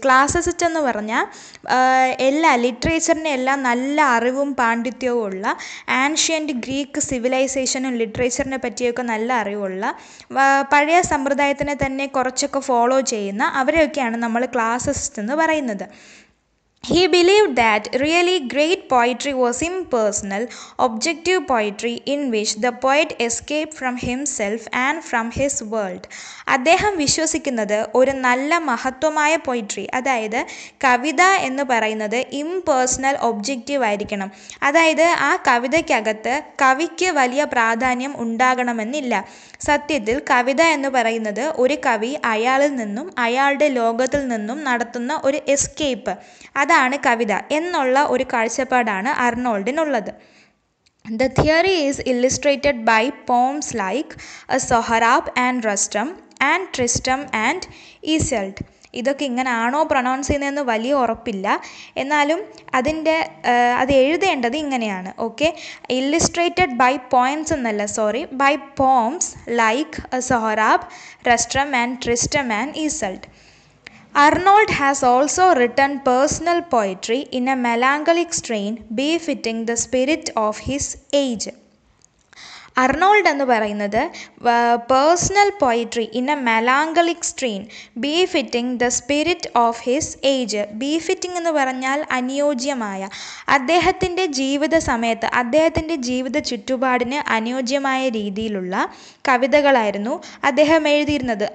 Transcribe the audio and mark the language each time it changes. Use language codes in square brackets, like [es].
[ml] ക്ലാസിസിസ്റ്റ് എന്ന് പറഞ്ഞാൽ എല്ലാ ലിറ്ററേച്ചറിനെ എല്ലാം നല്ല അറിവും പാണ്ഡിത്യവും ഉള്ള, ആൻഷ്യൻ്റ് ഗ്രീക്ക് സിവിലൈസേഷനും ലിറ്ററേച്ചറിനെ പറ്റിയൊക്കെ നല്ല അറിവുള്ള, പഴയ സമ്പ്രദായത്തിനെ തന്നെ കുറച്ചൊക്കെ ഫോളോ ചെയ്യുന്ന അവരെയൊക്കെയാണ് നമ്മൾ ക്ലാസിസിസ്റ്റ് എന്ന് പറയുന്നത്. [en] He believed that really great poetry was impersonal, objective poetry in which the poet escaped from himself and from his world. [ml] അദ്ദേഹം വിശ്വസിക്കുന്നത് ഒരു നല്ല മഹത്വമായ പോയിട്രി, അതായത് കവിത എന്ന് പറയുന്നത് ഇംപേഴ്സണൽ ഒബ്ജക്റ്റീവ് ആയിരിക്കണം. അതായത് ആ കവിതയ്ക്കകത്ത് കവിക്ക് വലിയ പ്രാധാന്യം ഉണ്ടാകണമെന്നില്ല. സത്യത്തിൽ കവിത എന്ന് പറയുന്നത് ഒരു കവി അയാളിൽ നിന്നും അയാളുടെ ലോകത്തിൽ നിന്നും നടത്തുന്ന ഒരു എസ്കേപ്പ്, അതാണ് കവിത എന്നുള്ള ഒരു കാഴ്ചപ്പാടാണ് അർണോൾഡിനുള്ളത്. [en] The theory is illustrated by poems like A Sohrab and Rustum and Tristram and Iseult. [ml] ഇതൊക്കെ ഇങ്ങനെയാണോ പ്രൊനൗൺസ് ചെയ്യുന്നതെന്ന് വലിയ ഉറപ്പില്ല, എന്നാലും അതിൻ്റെ അത് എഴുതേണ്ടത് ഇങ്ങനെയാണ്. [en] Okay, illustrated by points എന്നല്ല, sorry, by poems like a Sohrab Rustum and Tristram and Iseult. Arnold has also written personal poetry in a melancholic strain befitting the spirit of his age. [ml] Arnold എന്ന് പറയുന്നത് [en] Personal poetry in a melancholic strain befitting the spirit of his age. [ml] B fitting എന്ന് പറഞ്ഞാൽ അനുയോജ്യമായ, അദ്ദേഹത്തിൻ്റെ ജീവിത സമയത്ത് അദ്ദേഹത്തിൻ്റെ ജീവിത ചുറ്റുപാടിന് അനുയോജ്യമായ രീതിയിലുള്ള കവിതകളായിരുന്നു അദ്ദേഹം എഴുതിയിരുന്നത്.